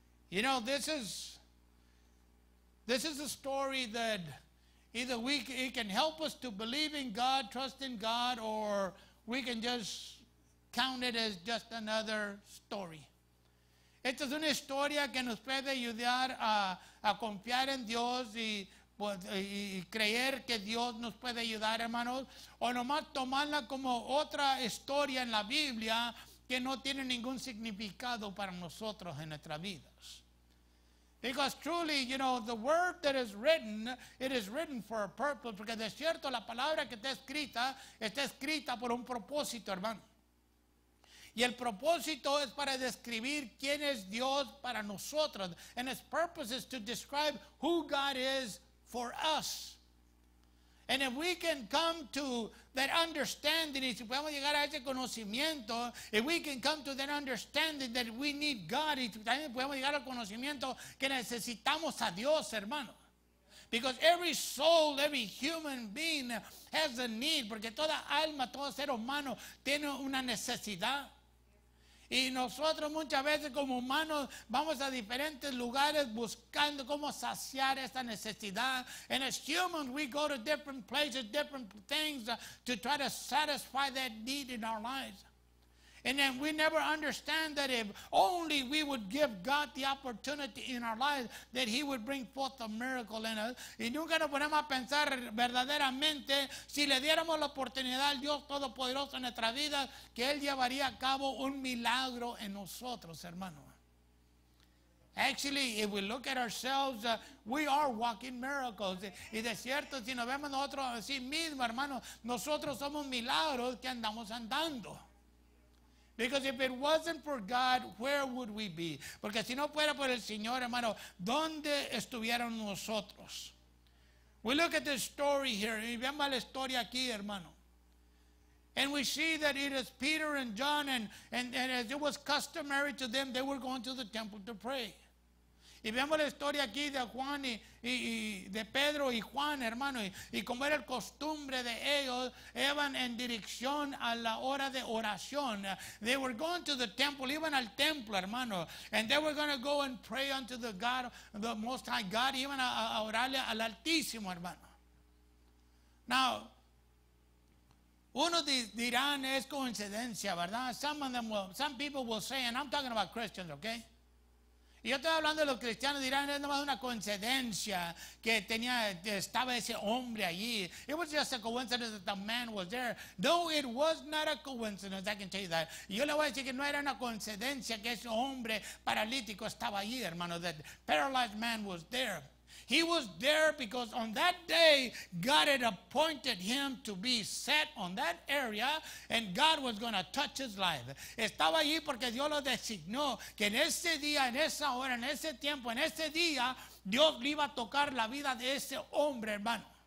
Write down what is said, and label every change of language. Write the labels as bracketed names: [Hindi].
[English] You know, this is a story that either it can help us to believe in God, trust in God, or we can just count it as just another story. [Spanish] Esta es una historia que nos puede ayudar a confiar en Dios y creer que Dios nos puede ayudar, hermanos, o nomás tomarla como otra historia en la Biblia que no tiene ningún significado para nosotros en nuestras vidas. [English] Because truly, you know, the word that is written, it is written for a purpose. [Spanish] Porque de cierto, la palabra que está escrita por un propósito, hermano. Y el propósito es para describir quién es Dios para nosotros. [English] And its purpose is to describe who God is for us. And if we can come to that understanding, [Spanish] y si podemos llegar a ese conocimiento, [English] if we can come to that understanding that we need God, [Spanish] y también podemos llegar al conocimiento que necesitamos a Dios, hermano. [English] Because every soul, every human being has a need, [Spanish] porque toda alma, todo ser humano tiene una necesidad. Y nosotros muchas veces como humanos vamos a diferentes lugares buscando cómo saciar esta necesidad. [English] And as humans, we go to different places, different things to try to satisfy that need in our lives. And then we never understand that if only we would give God the opportunity in our lives, that he would bring forth a miracle in us. [Spanish] Y nunca nos ponemos a pensar verdaderamente si le diéramos la oportunidad al Dios Todopoderoso en nuestra vida, que él llevaría a cabo un milagro en nosotros, hermano. [English] Actually, if we look at ourselves, we are walking miracles. [Spanish] Y de cierto, si nos vemos nosotros a sí mismos, hermano, nosotros somos milagros que andamos andando. [English] Because if it wasn't for God, where would we be? [Spanish] Porque si no fuera por el Señor, hermano, ¿dónde estuvieran nosotros? [English] We look at this story here. [Spanish] Y vemos la historia aquí, hermano. [English] And we see that it is Peter and John, and as it was customary to them, they were going to the temple to pray. [Spanish] Y vemos la historia aquí de Juan y de Pedro y Juan, hermano. Y como era el costumbre de ellos, iban en dirección a la hora de oración. [English] They were going to the temple, [Spanish] iban al templo, hermano. [English] And they were going to go and pray unto the God, the Most High God. [Spanish] Iban a orarle al Altísimo, hermano. Now, uno dirán es coincidencia, ¿verdad? [English] Some people will say, and I'm talking about Christians, okay? [Spanish] Y yo estoy hablando de los cristianos, dirán, es nomás una coincidencia que tenía, estaba ese hombre allí. [English] It was just a coincidence that the man was there. No, it was not a coincidence, I can tell you that. [Spanish] Y yo le voy a decir que no era una coincidencia que ese hombre paralítico estaba allí, hermano, [English] that paralyzed man was there. He was there because on that day, God had appointed him to be set on that area, and God was going to touch his life. [Spanish] Estaba allí porque Dios lo designó, que en ese día, en esa hora, en ese tiempo, en ese día, Dios le iba a tocar la vida de ese hombre, hermano.